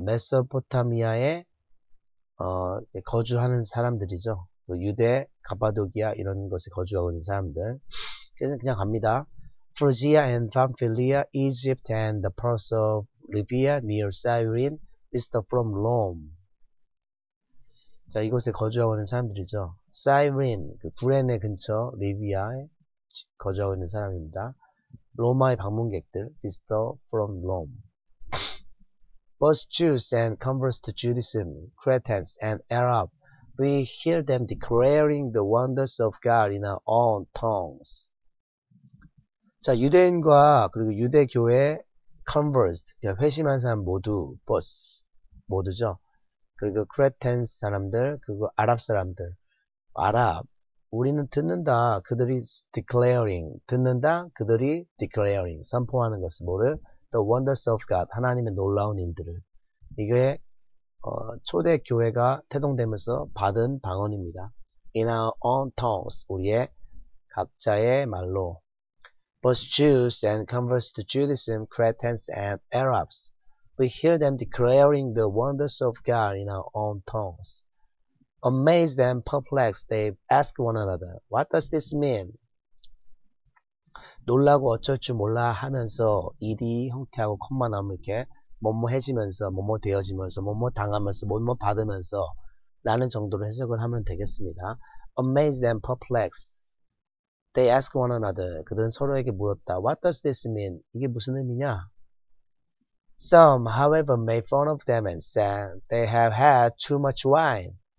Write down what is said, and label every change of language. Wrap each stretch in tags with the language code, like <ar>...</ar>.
<ko>메소포타미아의 거주하는 사람들이죠. 유대, 가파도기아 이런 곳에 거주하고 있는 사람들. 그래서 그냥 갑니다.</ko> <en>Phrygia and Pamphylia, Egypt and the parts of Libya near Cyrene, Vista from Rome.</en> <ko>자, 이곳에 거주하고 있는 사람들이죠. Cyrene, 구레네 근처, 리비아에 거주하고 있는 사람입니다. 로마의 방문객들,</ko> <en>Vista from Rome. Both Jews and converts to Judaism, Cretans and Arab, we hear them declaring the wonders of God in our own tongues.</en> <ko>자, 유대인과 그리고 유대교의 converts, 회심한 사람 모두, both, 모두죠. 그리고 Cretans 사람들, 그리고 아랍 사람들, 아랍, 우리는 듣는다, 그들이 declaring, 듣는다, 그들이 declaring, 선포하는 것은 뭐를?</ko> <en>The wonders of God,</en> <ko>하나님의 놀라운 일들을. 이게 초대 교회가 태동되면서 받은 방언입니다.</ko> <en>In our own tongues,</en> <ko>우리의 각자의 말로.</ko> <en>Both Jews and converts to Judaism, Cretans and Arabs, we hear them declaring the wonders of God in our own tongues. Amazed and perplexed, they ask one another, "What does this mean?"</en> <ko>놀라고 어쩔 줄 몰라 하면서 ED 형태하고 콤마 나오면 이렇게. 뭐뭐해지면서, 뭐뭐되어지면서, 뭐뭐당하면서, 뭐뭐받으면서 라는 정도로 해석을 하면 되겠습니다.</ko> <en>Amazed and perplexed. They ask one another.</en> <ko>그들은 서로에게 물었다.</ko> <en>What does this mean?</en> <ko>이게 무슨 의미냐?</ko> <en>Some, however, made fun of them and said they have had too much wine.</en>